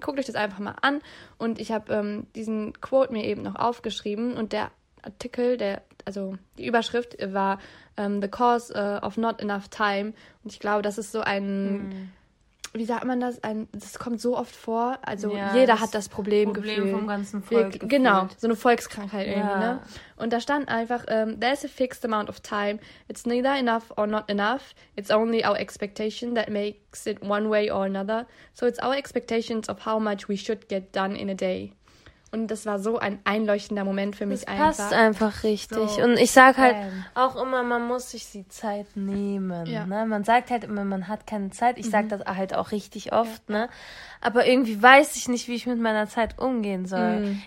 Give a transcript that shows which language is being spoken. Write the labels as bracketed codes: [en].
[de] Guckt euch das einfach mal an. Und ich habe diesen Quote mir eben noch aufgeschrieben und der Artikel, die Überschrift war [en] The Cause of Not Enough Time. [de] Und ich glaube, das ist so ein... Wie sagt man das? Das kommt so oft vor. Also ja, jeder hat das Problemgefühl. Problem vom ganzen Volk. Genau, so eine Volkskrankheit irgendwie. Ne? Und da stand einfach, [en] there's a fixed amount of time. It's neither enough or not enough. It's only our expectation that makes it one way or another. So it's our expectations of how much we should get done in a day. [de] Und das war so ein einleuchtender Moment für mich einfach. Das passt einfach richtig. So. Und ich sag halt auch immer, man muss sich die Zeit nehmen. Ja. Ne? Man sagt halt immer, man hat keine Zeit. Ich sag das halt auch richtig oft. Ja. Ne? Aber irgendwie weiß ich nicht, wie ich mit meiner Zeit umgehen soll. Mhm.